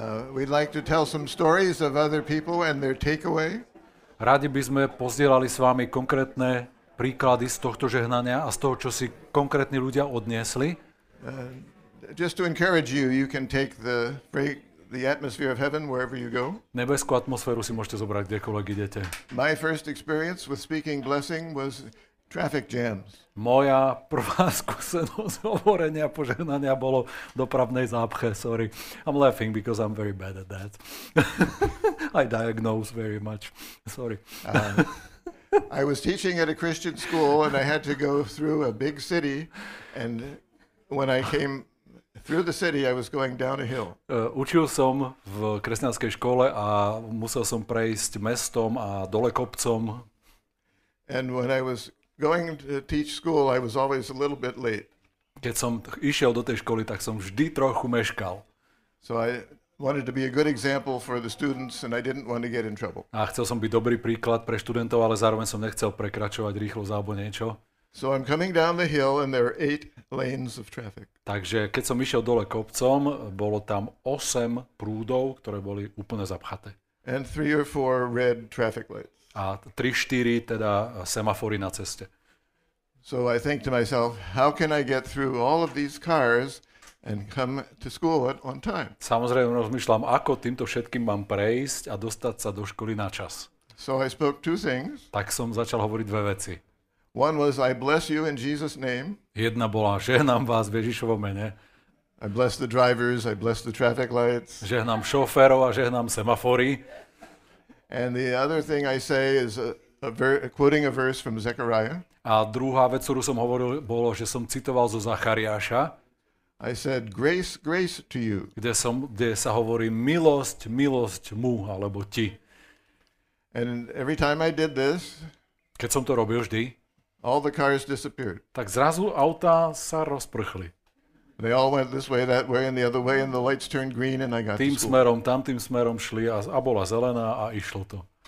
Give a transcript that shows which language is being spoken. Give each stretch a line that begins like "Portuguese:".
English: We'd like to tell some stories of other people and their takeaway.
Slovak: Rádi by sme pozdielali s vami konkrétne príklady z tohto žehnania a z toho, čo si konkrétni ľudia odniesli.
English: Just to encourage you, you can take the atmosphere of heaven wherever you go.
Slovak: Nebeskú atmosféru si môžete zobrať kdekoľvek idete.
English: My first experience with speaking blessing was traffic jams.
Slovak: Moja prvá skúsenosť hovorenia požehnania bolo dopravnej zápche, sorry.
English: I'm laughing because I'm very bad at that. I diagnose very much. Sorry. I was teaching at a Christian school and I had to go through a big city and when I came through the city I was going down a hill.
Slovak: Učil som v kresťanskej škole a musel som prejsť mestom a dole kopcom.
English: And when I was going to teach school, I was always a little bit late.
Slovak: Keď som išiel do tej školy, tak som vždy trochu meškal.
English: So I wanted to be a good example for the students and I didn't want to get in trouble.
Slovak: A chcel som byť dobrý príklad pre študentov, ale zároveň som nechcel prekračovať rýchlosť alebo niečo.
English: So I'm coming down the hill and there are 8 lanes of traffic.
Slovak: Takže keď som išiel dole kopcom, bolo tam 8 prúdov, ktoré boli úplne zapchaté.
English: And 3 or 4 red traffic lights.
Slovak: A 3-4 teda semafory na ceste.
English: So I think to myself, how can I get through all of these cars and come to school on time?
Slovak: Samozrejme rozmýšľam, ako týmto všetkým mám prejsť a dostať sa do školy na čas.
English: So I spoke two things.
Slovak: Tak som začal hovoriť dve veci.
English: One was I bless you in Jesus' name.
Slovak: Jedna bola, žehnám vás v Ježišovom mene.
English: I bless the drivers, I bless the traffic lights.
Slovak: Žehnám šoférov a žehnám semafory.
English: And the other thing I say is quoting a verse from Zechariah.
Slovak: A druhá vec, ktorú som hovoril, bolo, že som citoval zo Zachariáša.
English: I said grace, grace to you.
Slovak: Kde sa hovorí milosť, milosť mu alebo ti.
English: And every time I did this,
Slovak: keď som to robil vždy,
English: all the cars disappeared.
Slovak: Tak zrazu autá sa rozprchli.
English: They all went this way, that way and the other way and the lights turned green and I got to school.
Slovak: Tým smerom, tamtým smerom šli a bola zelená a išlo to.